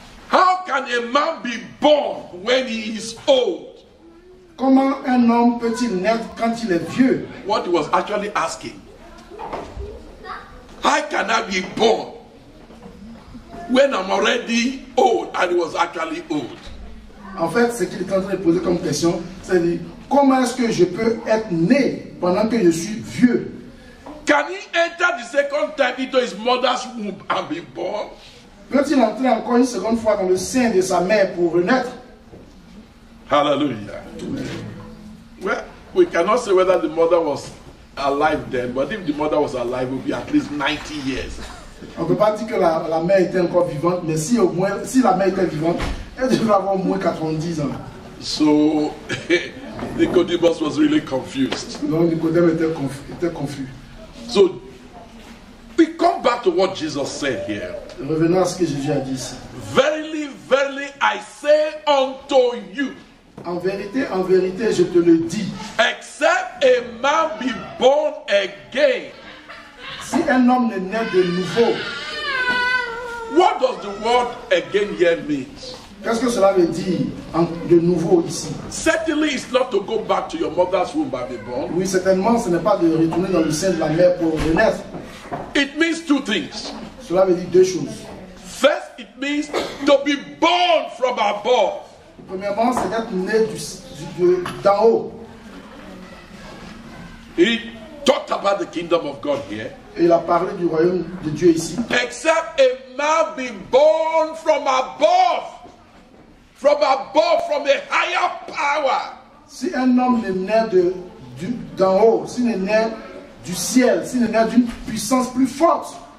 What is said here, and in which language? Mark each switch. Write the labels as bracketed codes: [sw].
[en] How can a man be born when he is old? [fr] Comment un homme peut-il naître quand il est vieux? [en] What he was actually asking. How can I be born when I'm already old? And he was actually old. [fr] En fait, ce qu'il est en train de poser comme question, c'est dire comment est-ce que je peux être né pendant que je suis vieux? [en] Can he enter the second time into his mother's womb and be born? [fr] Peut-il entrer encore une seconde fois dans le sein de sa mère pour renaître? [en] Hallelujah. Well, we cannot say whether the mother was alive then, but if the mother was alive, it would be at least 90 years. [fr] On ne peut pas dire que la mère était encore vivante, mais si au moins, si la mère était vivante, elle devrait avoir au moins 90 ans. [en] So, Nicodemus was really confused. [fr] Non, Nicodemus était confus. [en] So, we come back to what Jesus said here. [fr] Revenons à ce que Jésus a dit. [en] Verily, verily, I say unto you. [fr] En vérité, je te le dis. [en] Except a man be born again. [fr] Si un homme ne naît de nouveau. [en] What does the word again here mean? [fr] Qu'est-ce que cela veut dire en, de nouveau ici? [en] Certainly, it's not to go back to your mother's womb by being born. [fr] Oui, certainement, ce n'est pas de retourner dans le sein de la mère pour renaître. [en] It means two things. [fr] Cela veut dire deux choses. [en] First, it means to be born from above. [fr] Premièrement, c'est d'être né d'en haut. [en] He talked about the kingdom of God here. [fr] Il a parlé du royaume de Dieu ici. [en] Except a man be born from above. From above, from a higher power. [fr] Si un homme ne naît d'en haut, s'il ne naît du ciel, s'il ne naît d'une puissance plus forte.